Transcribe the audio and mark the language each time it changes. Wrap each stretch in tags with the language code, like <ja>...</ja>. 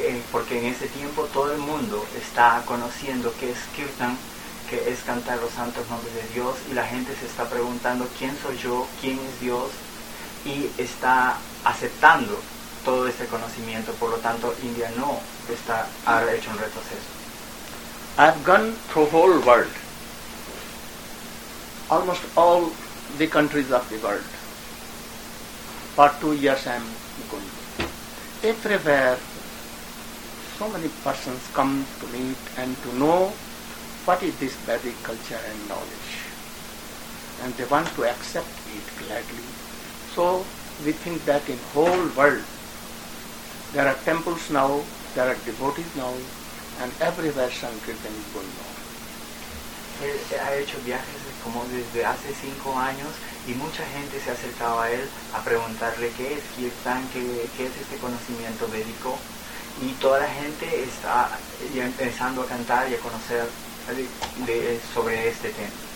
<es>Porque en ese tiempo todo el mundo está conociendo qué es Kirtan, que es cantar los santos nombres de Dios, y la gente se está preguntando quién soy yo, quién es Dios, y está aceptando todo este conocimiento. Por lo tanto, India no está, ha hecho un retroceso.</es> <en>I've gone through the whole world, almost all the countries of the world. For 2 years I'm going. Everywhere, so many persons come to meet and to know what is this Vedic culture and knowledge? And they want to accept it gladly. So we think that in whole world there are temples now, there are devotees now, and everywhere Sankirtan is going on.</en> <es>Él ha hecho viajes como desde hace 5 años y mucha gente se ha acercado a él a preguntarle qué es Kirtan, qué es este conocimiento védico, y toda la gente está ya empezando a cantar y a conocer sobre este tema.</es>